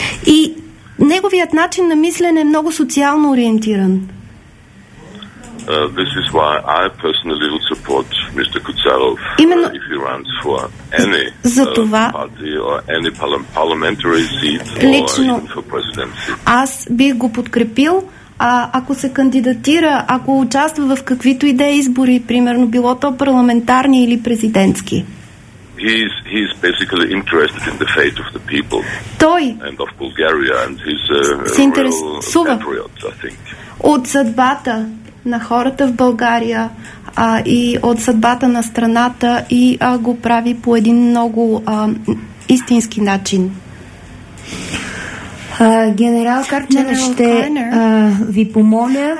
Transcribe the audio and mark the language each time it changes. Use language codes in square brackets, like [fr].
[bg] И неговият начин на мислене е много социално ориентиран. [en] This is why I personally would support Mr. Kutsarov if he runs for any party or any parliamentary seat [bg] лично, [en] or even for presidency. [bg] Аз бих го подкрепил. Ако се кандидатира, ако участва в каквито и да е избори, примерно било то парламентарни или президентски. [en] He's basically interested in the fate of the people. [bg] Той [en] and of Bulgaria, and he's a real patriot, I think. [bg] От съдбата на хората в България и от съдбата на страната и го прави по един много истински начин. Генерал Карчев, ще ви помоля,